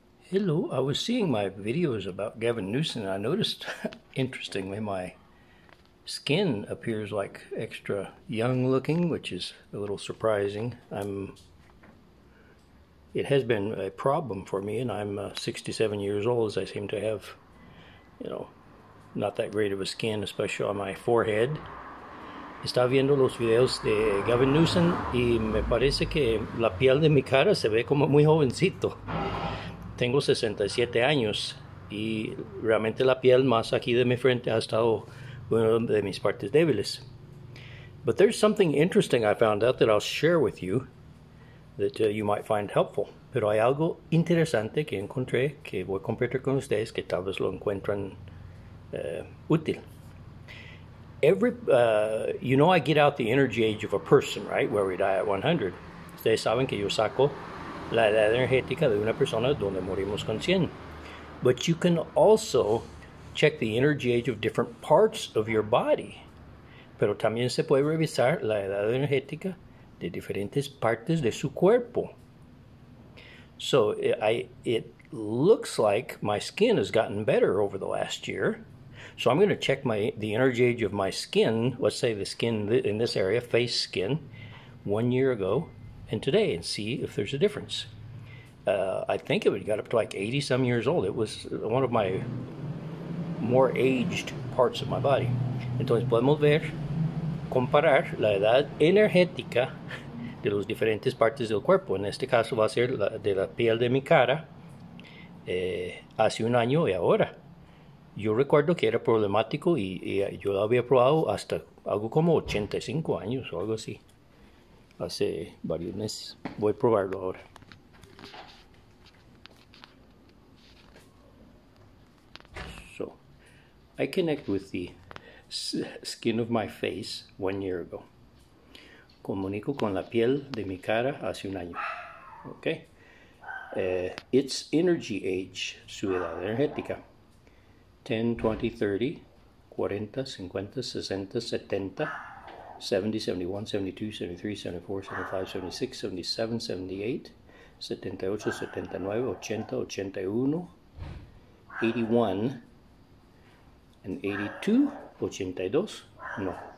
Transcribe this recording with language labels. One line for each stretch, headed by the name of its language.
English: Hello, I was seeing my videos about Gavin Newsom and I noticed, interestingly, my skin appears like extra young looking, which is a little surprising. It has been a problem for me, and I'm 67 years old, as I seem to have, not that great of a skin, especially on my forehead.
Spanish: Está viendo los videos de Gavin Newsom y me parece que la piel de mi cara se ve como muy jovencito. Tengo 67 años y realmente la piel más aquí de mi frente ha estado una de mis partes débiles.
English: But there's something interesting I found out that I'll share with you that you might find helpful.
Spanish: Pero hay algo interesante que encontré que voy a compartir con ustedes que tal vez lo encuentren útil.
English: I get out the energy age of a person, right? Where we die at 100.
Spanish: Ustedes saben que yo saco la edad energética de una persona donde morimos con 100.
English: But you can also check the energy age of different parts of your body.
Spanish: Pero también se puede revisar la edad energética de diferentes partes de su cuerpo.
English: So it looks like my skin has gotten better over the last year. So I'm going to check the energy age of my skin, let's say the skin in this area, face skin, 1 year ago and today, and see if there's a difference. I think it got up to like 80 some years old. It was one of my more aged parts of my body.
Spanish: Entonces podemos ver, comparar la edad energética de las diferentes partes del cuerpo. En este caso va a ser de la piel de mi cara hace 1 año y ahora. Yo recuerdo que era problemático y yo lo había probado hasta algo como 85 años o algo así. Hace varios meses. Voy a probarlo ahora.
English: I connect with the skin of my face 1 year ago.
Spanish: Comunico con la piel de mi cara hace 1 año.
English: Okay. Its energy age,
Spanish: su edad energética.
English: 10, 20, 30, 40, 50, 60, 70, 70, 71, 72, 73, 74, 75, 76, 77, 78, 78, 79, 80, 81, 81, and 82, 82, no.